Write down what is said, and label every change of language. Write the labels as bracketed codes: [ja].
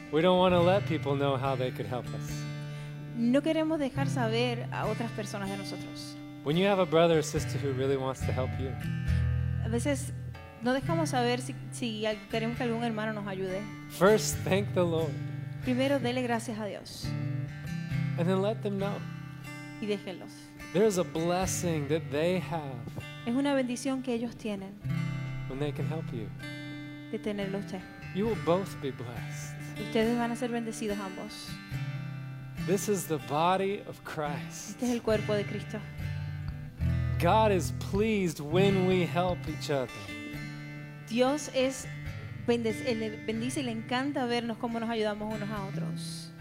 [en] we don't want to let people know how they could help us. [es] No queremos dejar saber a otras personas de nosotros. [en] When you have a brother or sister who really wants to help you, [es] a veces no dejamos saber si queremos que algún hermano nos ayude. [en] First, thank the Lord. [es] Primero, dele gracias a Dios. [en] And then let them know. [es] Y déjenlos. [en] There is a blessing that they have. [es] Es una bendición que ellos tienen. [en] When they can help you. [es] De tenerlo usted. [en] You will both be blessed. [es] Ustedes van a ser bendecidos ambos. [en] This is the body of Christ. [es] Este es el cuerpo de Cristo. [en] God is pleased when we help each other. [es] Dios es bendice y le encanta vernos cómo nos ayudamos unos a otros.